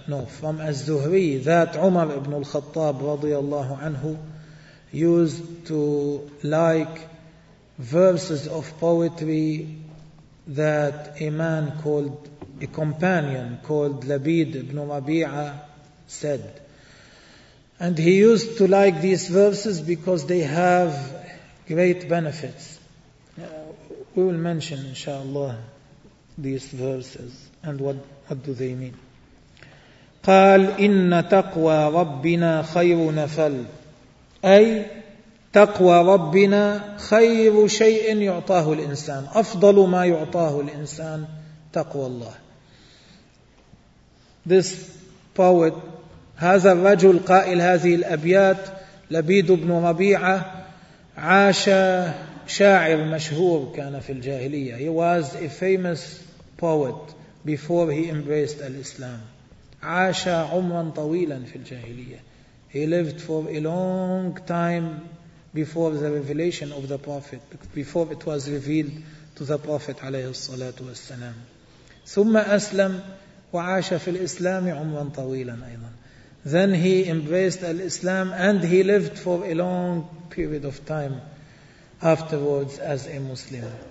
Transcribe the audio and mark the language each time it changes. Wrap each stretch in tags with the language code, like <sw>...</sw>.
<en>from Az-Zuhri, that Umar ibn al-Khattab رضي الله عنه used to like verses of poetry that a man called, a companion called Labid ibn Rabi'a said. And he used to like these verses because they have great benefits. We will mention, inshallah, these verses and what do they mean.</en> <ar>قال إن تقوى ربنا خير نفل، أي تقوى ربنا خير شيء يعطاه الإنسان، أفضل ما يعطاه الإنسان تقوى الله.</ar> <en>This poet,</en> <ar>هذا الرجل قائل هذه الأبيات، لبيد بن ربيعة، عاش شاعر مشهور كان في الجاهلية.</ar> <en>He was a famous poet before he embraced Islam.</en> <ar>عاش عمرا طويلا في الجاهلية.</ar> <en>He lived for a long time before the revelation of the Prophet, before it was revealed to the Prophet عليه الصلاة والسلام.</en> <ar>ثم أسلم وعاش في الإسلام عمرا طويلا أيضا.</ar> <en>Then he embraced Islam and he lived for a long period of time afterwards as a Muslim.</en>